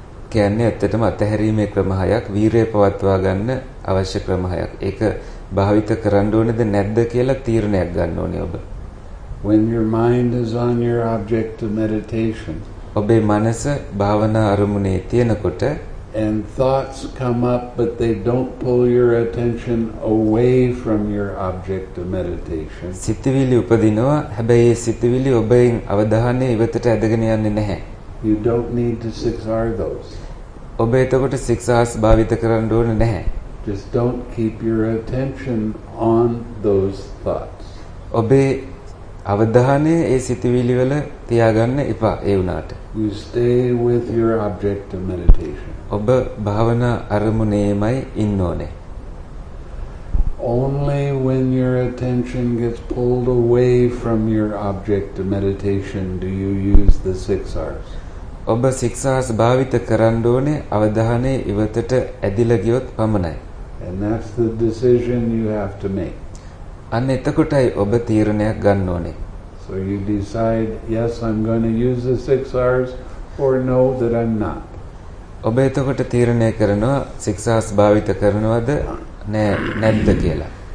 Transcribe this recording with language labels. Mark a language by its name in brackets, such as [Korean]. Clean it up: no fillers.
[Sinhala] කියන්නේ ඇත්තටම අතහැරීමේ ක්‍රමහයක් වීරය පවත්වා ගන්න අවශ්‍ය ක්‍රමහයක් ඒක භාවිත කරන්න ඕනේද නැද්ද කියලා තීරණයක් ගන්න ඕනේ ඔබ [English] when your mind is on your object of meditation [Sinhala] ඔබේ මනස භාවනා අරමුණේ තියෙනකොට [English] and thoughts come up but they don't pull your attention away from your object of meditation [Sinhala] සිතවිලි උපදිනවා හැබැයි ඒ සිතවිලි ඔබෙන් අවධානය ඉවතට ඇදගෙන යන්නේ නැහැ [English] You don't need to 6R those. [Sinhala] ඔබ එතකොට 6R භාවිත කරන්න ඕනේ නැහැ. [English] Just don't keep your attention on those thoughts. [Sinhala] ඔබේ අවධානය ඒ සිතුවිලි වල තියාගන්න එපා ඒ උනාට. [English] You stay with your object of meditation. [Sinhala] ඔබ භාවනා අරමුණේමයි ඉන්න ඕනේ. [English] Only when your attention gets pulled away from your object of meditation do you use the 6 R's. [Sinhala] ඔබ 6 R's භාවිත කරන්න ඕනේ අවධානයේ ඉවතට ඇදිලා ගියොත් පමණයි. [English] And that's the decision you have to make. [Sinhala] අන්න එතකොටයි ඔබ තීරණයක් ගන්න ඕනේ. [English] So you decide yes I'm going to use the 6 R's or no that I'm not. [Sinhala] ඔබ එතකොට තීරණය කරනවා 6 R's භාවිත කරනවද නැද්ද කියලා.